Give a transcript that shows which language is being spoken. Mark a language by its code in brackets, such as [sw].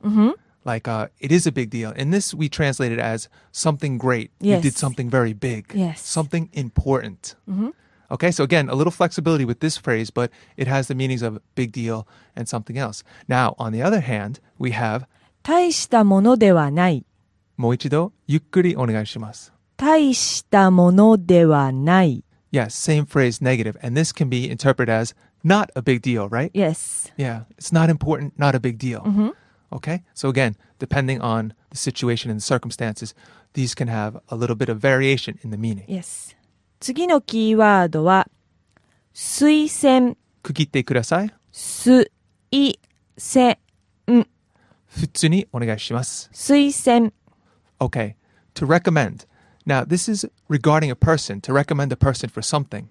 [en] Mm-hmm. Like, it is a big deal. And this we translate it as something great. Yes. You did something very big. Yes. Something important. Mm-hmm. Okay, so again, a little flexibility with this phrase, but it has the meanings of big deal and something else. Now, on the other hand, we have [ja] 大したものではない。もう一度、ゆっくりお願いします。大したものではない。 [en] Yes, same phrase, negative. And this can be interpreted as not a big deal, right? Yes. Yeah, it's not important, not a big deal. Mm-hmm. Okay, so again, depending on the situation and the circumstances, these can have a little bit of variation in the meaning. Yes. [ja] 次のキーワードは、推薦。区切ってください。推薦。普通にお願いします。推薦。 [en] Okay, to recommend. Now, this is regarding a person, to recommend a person for something.